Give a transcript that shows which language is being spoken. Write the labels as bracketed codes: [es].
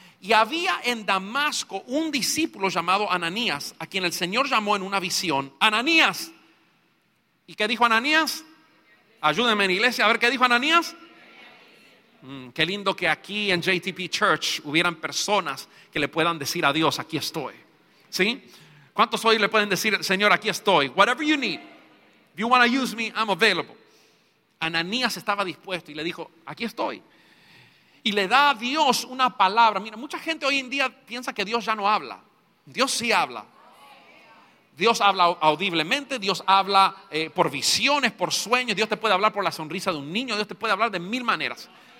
[es] Y había en Damasco un discípulo llamado Ananías, a quien el Señor llamó en una visión. ¡Ananías! ¿Y qué dijo Ananías? Ayúdenme en iglesia a ver qué dijo Ananías. Qué lindo que aquí en JTP Church hubieran personas que le puedan decir a Dios, aquí estoy. ¿Sí? ¿Cuántos hoy le pueden decir, Señor, aquí estoy? [en] Whatever you need. If you want to use me, I'm available. [es] Ananías estaba dispuesto y le dijo, aquí estoy. Y le da a Dios una palabra. Mira, mucha gente hoy en día piensa que Dios ya no habla. Dios sí habla. Dios habla audiblemente, Dios habla por visiones, por sueños, Dios te puede hablar por la sonrisa de un niño, Dios te puede hablar de mil maneras.